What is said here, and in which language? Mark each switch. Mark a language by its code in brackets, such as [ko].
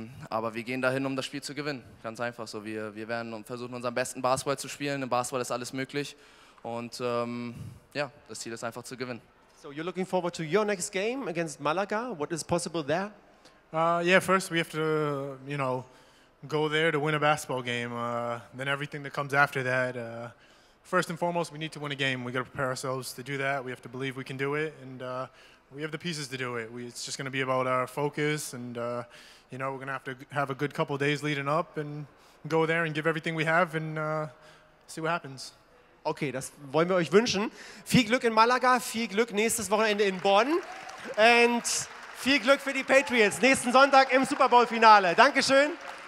[de] Aber wir gehen dahin, um das Spiel zu gewinnen. Ganz einfach so. Wir werden versuchen, unseren besten Basketball zu spielen. Im Basketball ist alles möglich. Und ja, das Ziel ist einfach zu gewinnen. [en] So, you're looking forward to your next game against Malaga. What is possible there? Yeah, first we have to, you know, go there to win a basketball game. Then everything that comes after that. First and foremost, we need to win a game. We got to prepare ourselves to do that. We have to believe we can do it. And we have the pieces to do it. It's just going to be about our focus, and you know, we're going to have a good couple of days leading up and go there and give everything we have and see what happens. [de] Okay, das wollen wir euch wünschen. Viel Glück in Malaga, viel Glück nächstes Wochenende in Bonn und viel Glück für die Patriots nächsten Sonntag im Super Bowl Finale. Dankeschön.